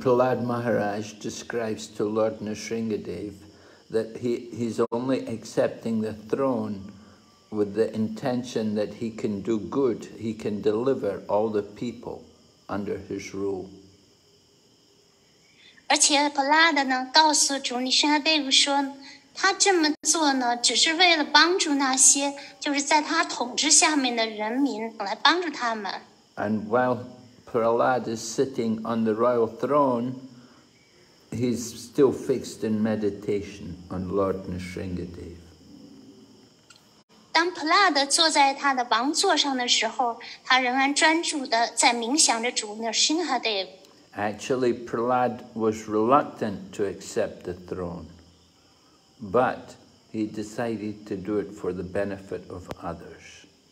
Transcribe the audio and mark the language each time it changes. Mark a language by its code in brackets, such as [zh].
[en] Prahlad Maharaj describes to Lord Nrisingadev that he's only accepting the throne with the intention that he can do good, he can deliver all the people under his rule. [zh] 而且普拉达呢，告诉主尼沙德夫说，他这么做呢，只是为了帮助那些就是在他统治下面的人民，来帮助他们。And [en] while Prahlad is sitting on the royal throne, he's still fixed in meditation on Lord Nrisingadev. [zh] 当普拉达坐在他的王座上的时候，他仍然专注地在冥想着主尼沙德夫。 [en] Actually, Prahlad was reluctant to accept the throne, but he decided to do it for the benefit of others.